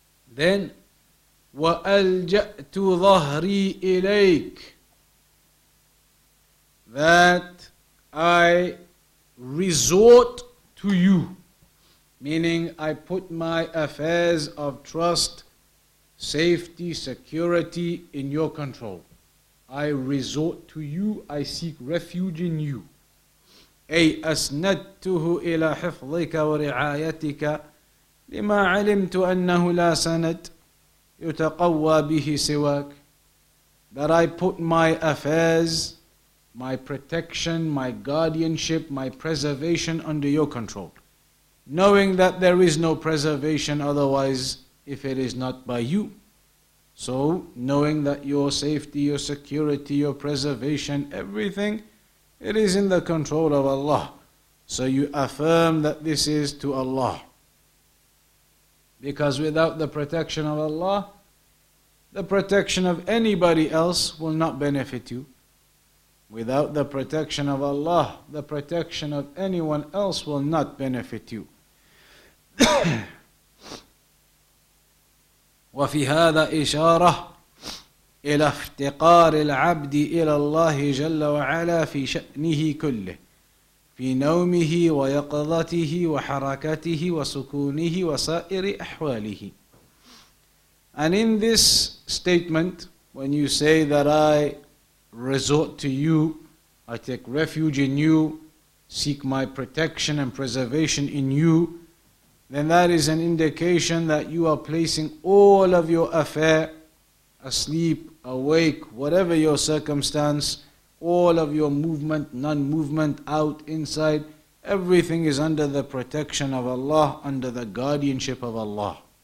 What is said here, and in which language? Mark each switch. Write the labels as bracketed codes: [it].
[en] Then, [ar] وَأَلْجَأْتُ ظَهْرِي إِلَيْكَ, [en] that I resort to you, meaning I put my affairs of trust, safety, security in your control. I resort to you, I seek refuge in you. [ar] أي أسندته إلى حفظك ورعايتك لما علمت أنه لا سند يتقوى به سواك. [en] That I put my affairs, my protection, my guardianship, my preservation under your control, knowing that there is no preservation otherwise if it is not by you. So, knowing that your safety, your security, your preservation, everything, it is in the control of Allah. So you affirm that this is to Allah. Because without the protection of Allah, the protection of anybody else will not benefit you. Without the protection of Allah, the protection of anyone else will not benefit you. [ar] وفي هذا إشارة إلى افتقار العبد إلى الله جل وعلا في شأنه كله، في نومه ويقظته وحركته وسكونه وسائر أحواله. [en] And in this statement, when you say that I resort to you, I take refuge in you, seek my protection and preservation in you, then that is an indication that you are placing all of your affair, asleep, awake, whatever your circumstance, all of your movement, non-movement, out, inside, everything is under the protection of Allah, under the guardianship of Allah.